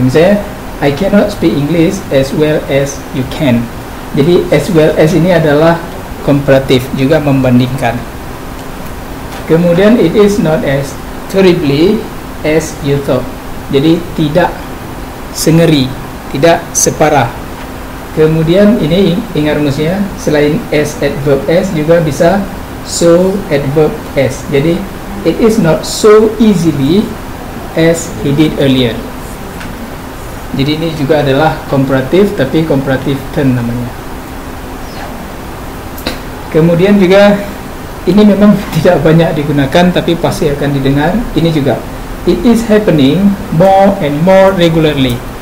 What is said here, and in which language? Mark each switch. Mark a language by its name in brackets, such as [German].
[Indonesian] Misalnya [English] I cannot speak English as well as you can. [Indonesian] Jadi as well as ini adalah comparative, juga membandingkan. Kemudian [English] it is not as terribly as you thought. [Indonesian] Jadi tidak sengeri, tidak separah. Kemudian ini ingat rumusnya, selain s adverb s juga bisa so adverb s. Jadi [English] it is not so easily as he did earlier. [Indonesian] Jadi ini juga adalah comparative, tapi comparative turn namanya. Kemudian juga ini memang tidak banyak digunakan tapi pasti akan didengar ini juga. [English] It is happening more and more regularly.